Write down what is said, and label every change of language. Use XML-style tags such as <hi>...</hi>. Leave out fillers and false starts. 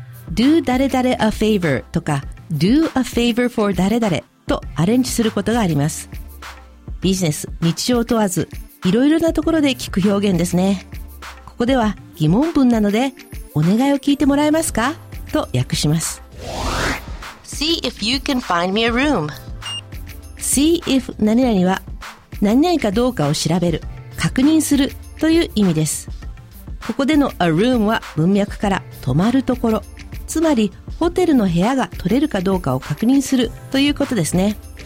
<en>Do</en> <ja>誰誰</ja> <en>a favor</en> <ja>とか、</ja> <en>Do a favor for</en> <ja>誰誰とアレンジすることがあります。ビジネス、日常問わず、いろいろなところで聞く表現ですね。ここでは疑問文なので、お願いを聞いてもらえますかと訳します。</ja> <en>See if you can find me a room. See if</en> <ja>何々は、何々かどうかを調べる、確認するという意味です。ここでの</ja> <en>a room</en> <ja>は文脈から泊まるところ。つまり、ホテルの部屋が取れるかどうかを確認するということですね。</ja>